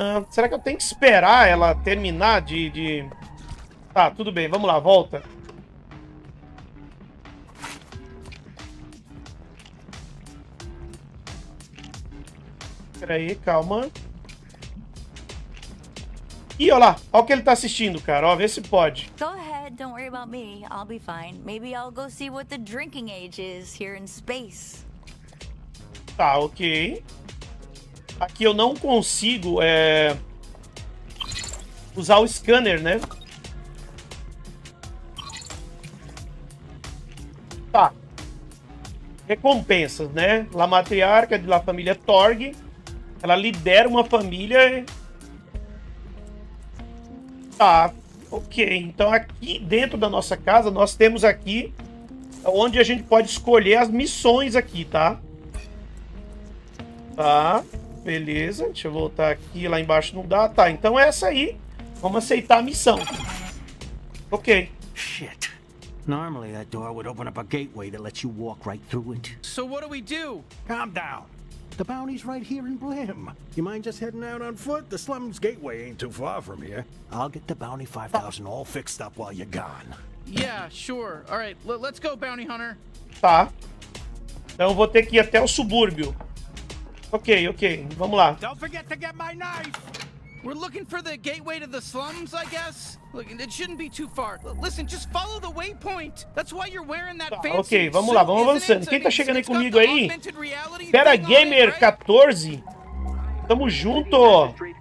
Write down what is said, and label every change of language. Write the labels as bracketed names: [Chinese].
[Portuguese] Será que eu tenho que esperar ela terminar de... Tá, tudo bem, vamos lá, volta. Peraí, calma. Ih, olha lá. Olha o que ele tá assistindo, cara. Ó, vê se pode. [English] Go ahead, don't worry about me. I'll be fine. Maybe I'll go see what the drinking age is here in space. [Portuguese] Tá, ok. Aqui eu não consigo usar o scanner, né? Tá. Recompensas, né? [Spanish] La matriarca de la família Torg. [Portuguese] Ela lidera uma família. Tá, ok. Então aqui dentro da nossa casa, nós temos aqui onde a gente pode escolher as missões aqui, tá? Tá, beleza. Deixa eu voltar aqui, lá embaixo não dá. Tá, então é essa aí. Vamos aceitar a missão. Ok. [English] Shit. Normally that door would open up a gateway that lets you walk right through it. So what do we do? Calm down. The bounty's right here in Blim. You mind just heading out on foot? The slum's gateway ain't too far from here. I'll get the bounty 5000 all fixed up while you're gone. Yeah, sure. All right, let's go, bounty hunter. [Portuguese] Tá. Então vou ter que ir até o subúrbio. Ok, ok. Vamos lá. [English] Don't forget to get my knife. We're looking for the gateway to the slums, I guess. Look, it shouldn't be too far. Listen, just follow the waypoint. That's why you're wearing that fancy. [Portuguese] Ok, vamos lá, vamos avançando. Quem tá chegando aí comigo aí? Pera, Gamer 14. Tamo junto.